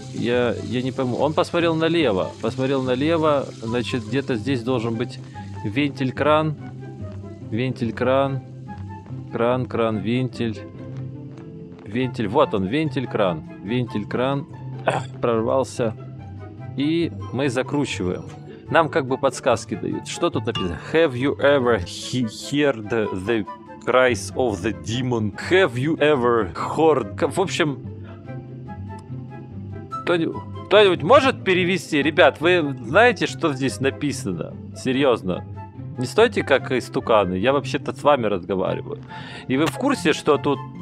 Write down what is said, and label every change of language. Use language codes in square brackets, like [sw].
[ru] Я не пойму. Он посмотрел налево, значит, где-то здесь должен быть вентиль-кран, прорвался, и мы закручиваем. Нам как бы подсказки дают. Что тут написано? [en] Have you ever heard the cries of the demon? Have you ever heard... [ru] В общем, кто-нибудь может перевести? Ребят, вы знаете, что здесь написано? Серьезно. Не стойте как истуканы. Я вообще-то с вами разговариваю. И вы в курсе, что тут...